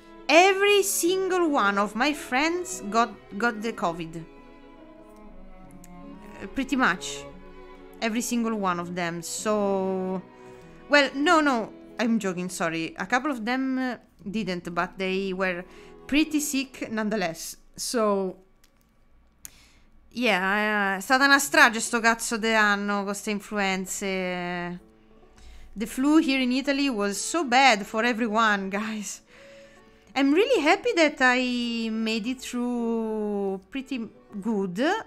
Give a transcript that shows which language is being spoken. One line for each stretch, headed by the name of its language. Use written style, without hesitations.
English: Every single one of my friends got the COVID. Pretty much. Every single one of them. So, well, no, I'm joking, sorry. A couple of them didn't, but they were pretty sick nonetheless. So, yeah,
Italian: è stata una strage sto cazzo de anno con queste influenze.
English: The flu here in Italy was so bad for everyone, guys. I'm really happy that I made it through pretty good.